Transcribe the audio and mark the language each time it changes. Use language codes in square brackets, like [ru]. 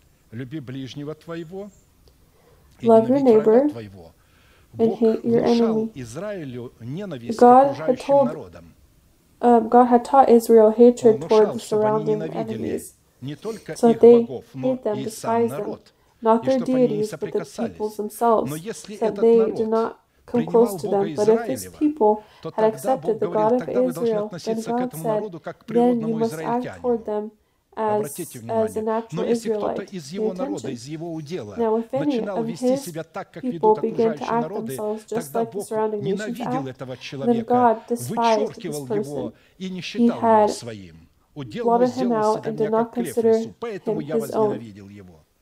[ru] Люби ближнего твоего и ненавидь врага твоего. [en] And hate your enemy. God had taught Israel hatred toward the surrounding enemies, so they hate them, despise them, not their deities, but the peoples themselves, that they do not come close to them. But if this people had accepted the God of Israel, then God said, then you must act toward them [ru] Обратите внимание, но если кто-то из его народа, из его удела, начинал вести себя так, как ведут окружающие народы, тогда Бог ненавидел этого человека, вычеркивал его и не считал его своим. Удел его сделался для меня как клев в лесу, поэтому я возненавидел его.